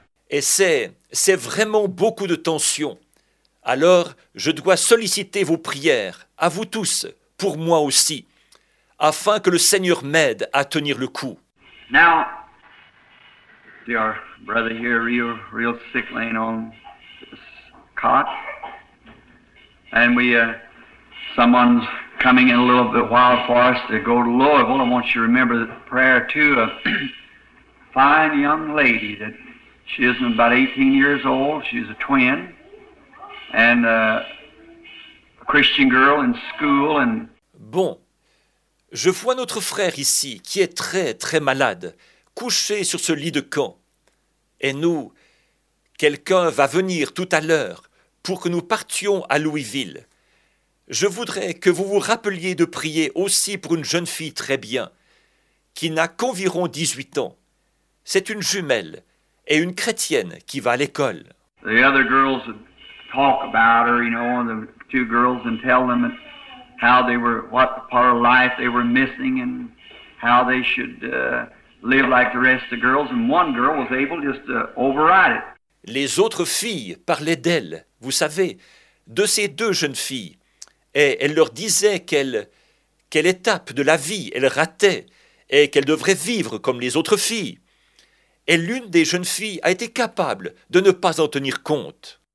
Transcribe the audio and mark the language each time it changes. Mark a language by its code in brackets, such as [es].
[fr] Et c'est vraiment beaucoup de tension. Alors, je dois solliciter vos prières, à vous tous, pour moi aussi, afin que le Seigneur m'aide à tenir le coup. [en] Now, your brother here, real sick, laying on this cot, and someone's coming in a little bit wild for us to go to Louisville. I want you to remember the prayer too. A fine young lady that she isn't about 18 years old. She's a twin and a Christian girl in school. And [fr] bon, je vois notre frère ici qui est très très malade, couché sur ce lit de camp. Et nous, quelqu'un va venir tout à l'heure pour que nous partions à Louisville. Je voudrais que vous vous rappeliez de prier aussi pour une jeune fille très bien, qui n'a qu'environ 18 ans. C'est une jumelle et une chrétienne qui va à l'école. [en] The other girls have talk about her, you know, the two girls, and tell them how they were, what part of life they were missing, and how they should live like the rest of the girls. And one girl was able just to override it. [fr] Les autres filles parlaient d'elle, vous savez, de ces deux jeunes filles. Et elle leur disait quelle étape de la vie elle ratait et qu'elle devrait vivre comme les autres filles. Et l'une des jeunes filles a été capable de ne pas en tenir compte.